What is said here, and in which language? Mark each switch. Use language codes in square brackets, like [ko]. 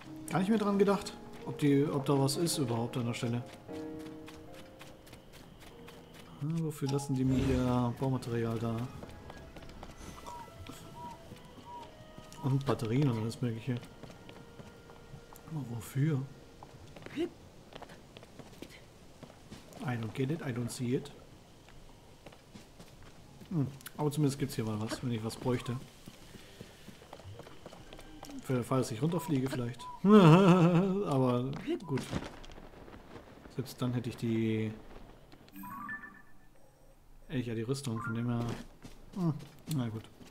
[de] Gar nicht mehr dran gedacht, ob da was ist überhaupt an der Stelle. Ja, wofür lassen die mir ihr Baumaterial da? Und Batterien und alles Mögliche. Aber wofür? [en] I don't get it, I don't see it. [de] Aber zumindest gibt es hier mal was, wenn ich was bräuchte. Für den Fall, dass ich runterfliege vielleicht. Aber gut. Selbst dann hätte ich die... Hätte ich ja die Rüstung, von dem her... Na gut.